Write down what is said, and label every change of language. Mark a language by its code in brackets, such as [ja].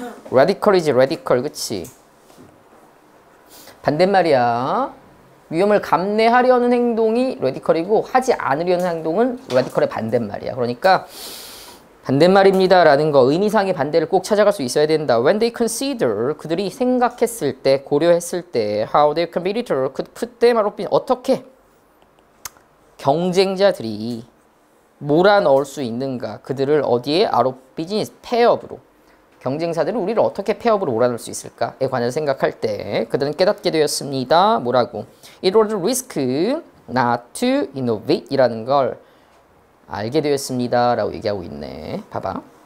[ko] Radical이지, radical. 그치? 반대말이야. 위험을 감내하려는 행동이 radical이고, 하지 않으려는 행동은 radical의 반대말이야. 그러니까. 반대말입니다라는 거 의미상의 반대를 꼭 찾아갈 수 있어야 된다. [en] When they consider, [ko] 그들이 생각했을 때, 고려했을 때, [en] how their competitor could put them out of business. [ko] 어떻게 경쟁자들이 몰아넣을 수 있는가? 그들을 어디에 [en] out of business, [ko] 폐업으로. 경쟁사들은 우리를 어떻게 폐업으로 몰아넣을 수 있을까?에 관해서 생각할 때, 그들은 깨닫게 되었습니다. 뭐라고? [en] It was a risk not to innovate [ko] 이라는 걸 알게 되었습니다라고 얘기하고 있네. 봐봐.